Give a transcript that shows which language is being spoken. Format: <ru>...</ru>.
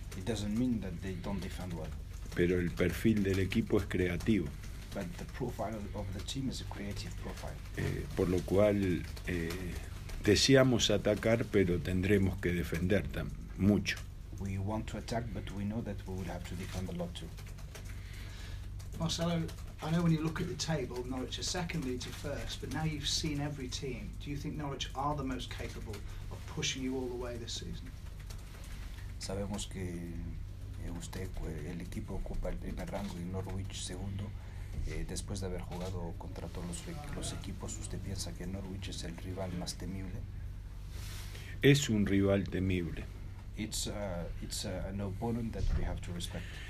<en>It doesn't mean that they don't defend well.</en> <es>Pero el perfil del equipo es creativo.</es> <en>But the profile of the team is a creative profile.</en> <es>Por lo cual deseamos atacar, pero tendremos que defender mucho.</es> <en>We want to attack, but we know that we will have to defend a lot too. Marcelo, I know when you look at the table, Norwich are second lead to first, but now you've seen every team. Do you think Norwich are the most capable of pushing you all the way this season?</en> <es>Sabemos que usted, el equipo ocupa el primer rango y Norwich segundo. Después de haber jugado contra todos los equipos, ¿usted piensa que Norwich es el rival más temible? Es un rival temible.</es> <en>It's an opponent that we have to respect.</en>